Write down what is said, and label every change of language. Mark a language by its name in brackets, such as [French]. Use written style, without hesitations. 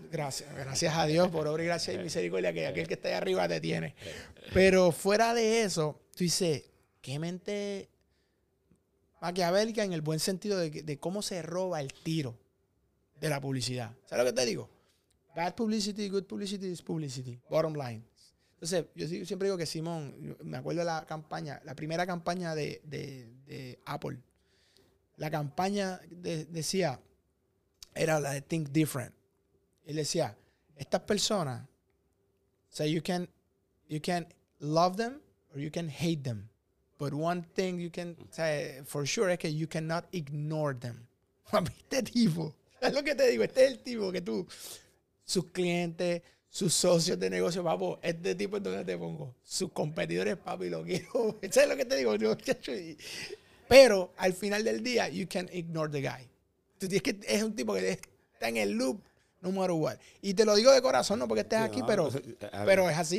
[Spanish] Gracias a Dios, por obra y gracia y misericordia, que aquel que está ahí arriba te tiene. Pero fuera de eso, tú dices, qué mente maquiavélica en el buen sentido de cómo se roba el tiro. De la publicidad. ¿Sabes lo que te digo? [English] Bad publicity, good publicity is publicity. Bottom line. [Spanish] Entonces, yo siempre digo que Simón, me acuerdo de la campaña, la primera campaña de Apple. La campaña decía, era la de Think Different. Él decía, estas personas, [English] so you can love them or you can hate them. But one thing you can say for sure [Spanish] es que [English] you cannot ignore them. [Spanish] Este tipo. Es lo que te digo, este es el tipo que tú, sus clientes, sus socios de negocio, papo, este tipo es donde te pongo, sus competidores, papi, lo quiero, eso es lo que te digo, pero al final del día, [English] you can ignore the guy, [Spanish] tú tienes que, es un tipo que está en el loop, [English] no matter what, [Spanish] y te lo digo de corazón, no porque estés aquí, pero es así.